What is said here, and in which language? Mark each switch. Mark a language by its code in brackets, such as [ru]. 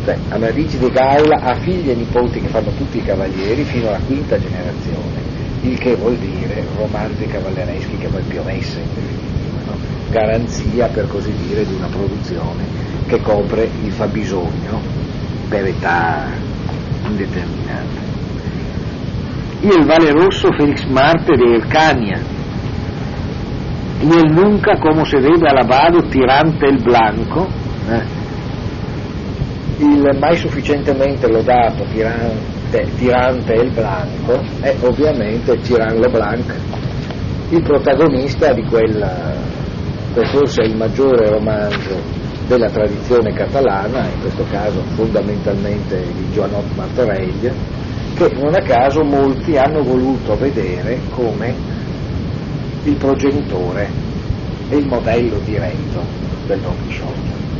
[it] Amadís de Gaula ha figli e nipoti che fanno tutti i cavalieri fino alla quinta generazione, il che vuol dire romanzi cavallereschi che poi più messe in definitiva, no? Garanzia, per così dire, di una produzione che copre il fabbisogno per età indeterminata. [es] Y el valeroso Félix Marte de Hircania, y el nunca, como se debe alabado, tirante el blanco, [it] il mai sufficientemente lodato tirante el blanco è ovviamente Tirant le Blanc, il protagonista di quella che forse è il maggiore romanzo della tradizione catalana, in questo caso fondamentalmente di Joanot Martorell, che non a caso molti hanno voluto vedere come il progenitore e il modello diretto del Don Chisciotte.